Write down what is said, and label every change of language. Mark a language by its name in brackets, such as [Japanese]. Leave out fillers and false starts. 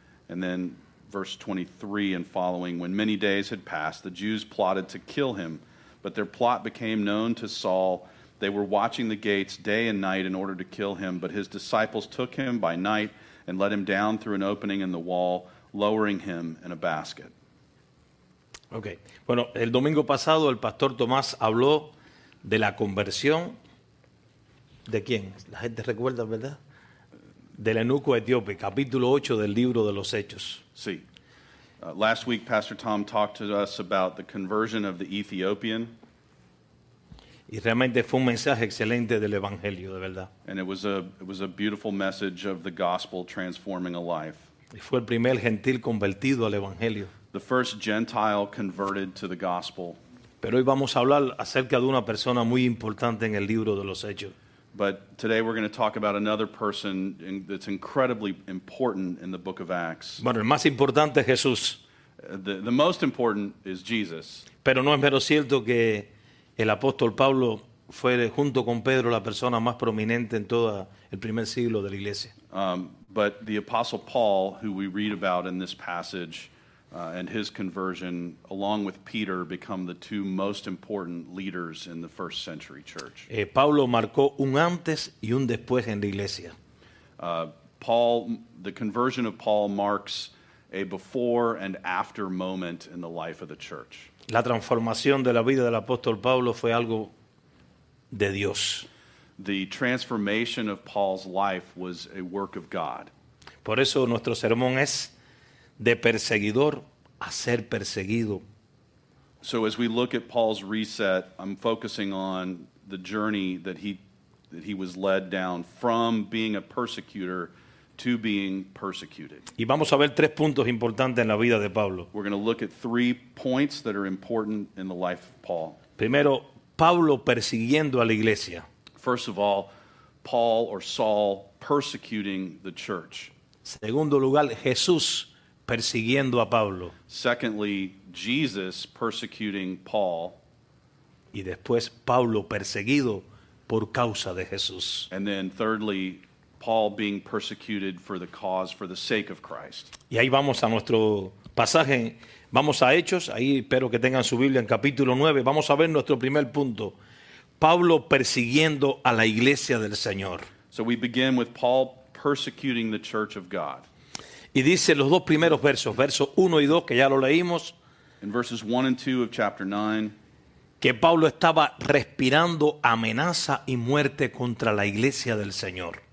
[English] And then verse 23 and following, when many days had passed, the Jews plotted to kill him, but their plot became known to Saul. They were watching the gates day and night in order to kill him, but his disciples took him by night and let him down through an opening in the wall, lowering him in a basket. Okay. [Spanish] Bueno, el domingo pasado el pastor Tomás habló de la conversión. ¿De quién? La gente recuerda, ¿verdad? Del eunuco etíope, capítulo 8 del libro de los Hechos. Sí. [English] Last week, Pastor Tom talked to us about the conversion of the Ethiopian. [Spanish] Y realmente fue un mensaje excelente del Evangelio, de verdad. [English] And it was a beautiful message of the gospel transforming a life. [Spanish] Y fue el primer gentil convertido al Evangelio. [English] The first Gentile converted to the gospel. [Spanish] Pero hoy vamos a hablar acerca de una persona muy importante en el libro de los Hechos. [English] But today we're going to talk about another person that's incredibly important in the book of Acts. [Spanish] Bueno, el más importante es Jesús. [English] The most important is Jesus. [Spanish] Pero no es menos cierto que el apóstol Pablo fue junto con Pedro la persona más prominente en todo el primer siglo de la iglesia. [English] But the apostle Paul, who we read about in this passage, and his conversion, along with Peter, become the two most important leaders in the first century church. [Spanish] Pablo marcó un antes y un después en la iglesia. [English] Paul, the conversion of Paul marks a before and after moment in the life of the church. [Spanish] La transformación de la vida del apóstol Pablo fue algo de Dios. [English] The transformation of Paul's life was a work of God. [Spanish] Por eso nuestro sermón es de perseguidor a ser perseguido. [English] So as we look at Paul's reset, I'm focusing on the journey that he was led down from being a persecutor to being persecuted. [Spanish] Y vamos a ver tres puntos importantes en la vida de Pablo. [English] We're going to look at three points that are important in the life of Paul. [Spanish] Primero, Pablo persiguiendo a la iglesia. [English] First of all, Paul or Saul persecuting the church. [Spanish] Segundo lugar, Jesús persiguiendo a Pablo. [English] Secondly, Jesus persecuting Paul. [Spanish] Y después, Pablo perseguido por causa de Jesús. [English] And then thirdly, Paul being persecuted for the cause, for the sake of Christ. [Spanish] Y ahí vamos a nuestro pasaje. Vamos a Hechos. Ahí espero que tengan su Biblia en capítulo 9. Vamos a ver nuestro primer punto. Pablo persiguiendo a la iglesia del Señor. [English] So we begin with Paul persecuting the church of God. [Spanish] Y dice los dos primeros versos, versos 1 y 2, que ya lo leímos. [English] In verses 1 and 2 of chapter 9. [Spanish] Que Pablo estaba respirando amenaza y muerte contra la iglesia del Señor.